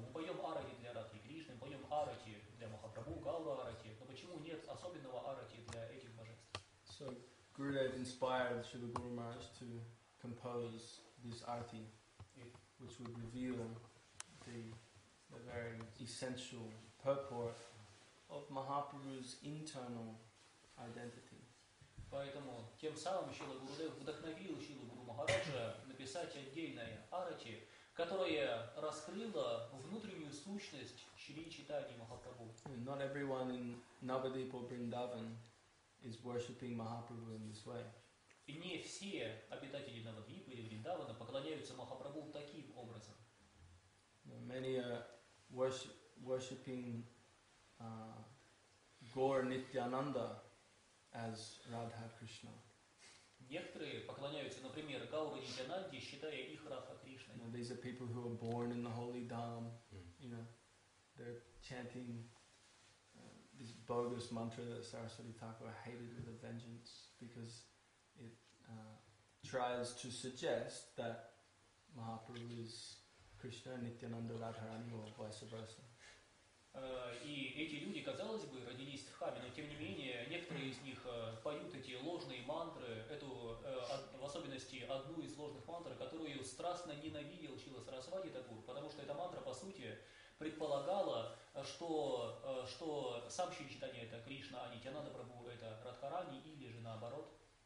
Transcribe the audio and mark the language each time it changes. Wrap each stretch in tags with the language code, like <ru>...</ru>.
<ru>Мы поем арати для Радхи, Кришны, мы поем арати для Махапрабху, Гаура арати, но почему нет особенного арати для этих божеств?</ru> <en>So, Gurudev inspired Shri Guru Maharaj to compose this arati, which would reveal the very essential purport of Mahaprabhu's internal identity.</en> <ru>Поэтому тем самым Шрила Гурудев вдохновил Шрилу Гуру Махараджа написать отдельное арати, которое раскрыло внутреннюю сущность Шри Чайтаньи Махапрабху.</ru> <en>Not everyone in Navadvipa or Vrindavan is worshipping Mahaprabhu in this way.</en> <ru>И не все обитатели Навадвипы или Вриндавана поклоняются Махапрабху таким образом.</ru> <en>Many are worshipping Gaura Nityananda as Radha Krishna.</en> <ru>Некоторые поклоняются, например, Гауру Нитянанде, считая их Радха Кришной.</ru> <en>You know, these are people who are born in the holy dham. You know, they're chanting this bogus mantra that Sarasvati Thakur hated with a vengeance because it tries to suggest that Mahaprabhu is Krishna, Nityananda, Radharani, or vice versa.</en> <ru>И эти люди, казалось бы, родились в храме, но тем не менее, некоторые из них поют эти ложные мантры, в особенности одну из ложных мантр, которую страстно ненавидел Шрила Сарасвати Такур, потому что эта мантра, по сути, предполагала, что сам Шри Чайтанья это Кришна, а Нитьянанда Прабху это Радхарани, или же наоборот.</ru>